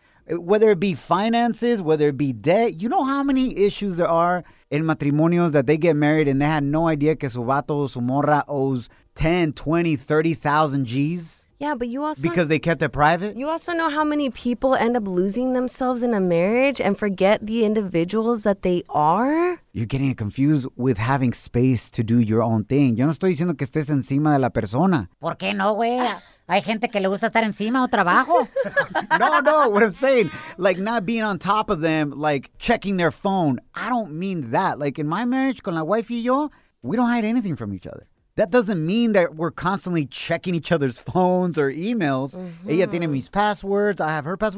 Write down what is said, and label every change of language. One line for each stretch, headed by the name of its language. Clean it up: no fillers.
English: Whether it be finances, whether it be debt, you know how many issues there are in matrimonios that they get married and they had no idea
Spanish: que su vato o su morra
English: owes 10, 20, 30,000 G's? Yeah, but you also... Because they kept it private? You also know how many people end up losing themselves in a marriage and forget the individuals that they are? You're getting confused with having space to do your own thing.
Spanish: Yo no estoy diciendo que estés encima de la persona. ¿Por qué no, güey? Hay gente que le gusta estar encima o trabajo.
English: No, no, what I'm saying, like not being on top of them, like checking their phone. I don't mean that. Like in my marriage,
Spanish: con la wife y yo,
English: we don't hide anything from each other. That doesn't mean that we're constantly checking each other's phones or emails. Mm-hmm.
Spanish: Ella tiene mis passwords,
English: I have her passwords.